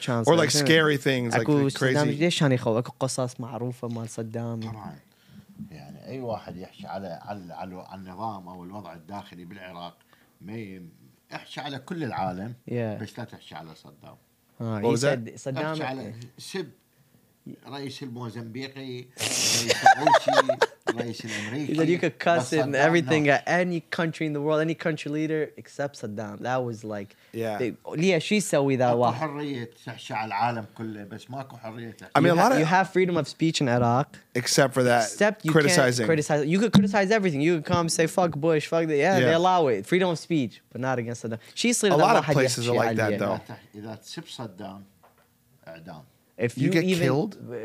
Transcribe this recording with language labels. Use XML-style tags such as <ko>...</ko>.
<en>Or like scary things, like crazy.</en> <ar>قصص معروفة مال صدام. يعني أي واحد يحكي على على على النظام أو الوضع الداخلي بالعراق ما يحكي على كل العالم.</ar> <en>Yeah.</en> <ar>بس لا تحكي على صدام. صدام. سب رئيس الموزمبيقي رئيس الروسي رئيس الأمريكي.</ar> <en>That you could cuss in everything at any country in the world, any country leader except Saddam. That was like. Yeah.</en> <ar>ليه شو يسوي ذا واحد؟ حرية تحكي على العالم كله بس ماكو حرية.</ar> <en>I mean a lot of. You have freedom of speech in Iraq. Except for that. Except you criticizing. Criticize. You could criticize everything. You could come say fuck Bush, fuck the yeah. They allow it. Freedom of speech, but not against Saddam. She said a lot of places are like that though.</en> <ar>إذا تسب صدام إعدام.</ar> <en>If you get even, killed,</en>